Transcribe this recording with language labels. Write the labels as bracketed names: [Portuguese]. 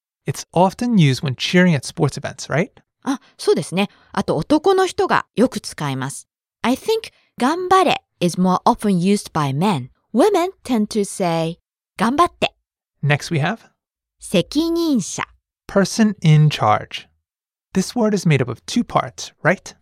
[English] It's often used when cheering at sports events, right? [Japanese] あ、そうですね。あと男の人がよく使います。 [English] I think 頑張れis more often used by men. Women tend to say, 頑張って。 Next we have? [Japanese] 責任者。 [English] Person in charge. This word is made up of two parts, right?